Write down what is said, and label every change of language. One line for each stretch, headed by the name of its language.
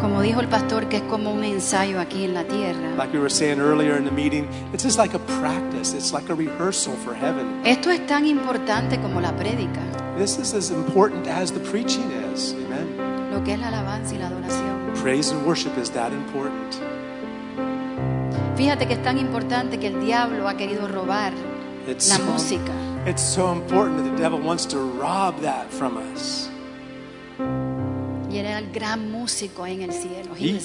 Spanish: Como dijo el pastor, que es como un ensayo aquí en la tierra.
English: Like we were saying earlier in the meeting, it's just like a practice. It's like a rehearsal for heaven.
Spanish: Esto es tan importante como la prédica.
English: This is as important as the preaching is. Amen.
Spanish: Lo que es la alabanza y la adoración.
English: Praise and worship is that important.
Spanish: Fíjate que es tan importante que el diablo ha querido robar la música.
English: It's so important that the devil wants to rob that from us.
Spanish: Y era el gran músico en el cielo.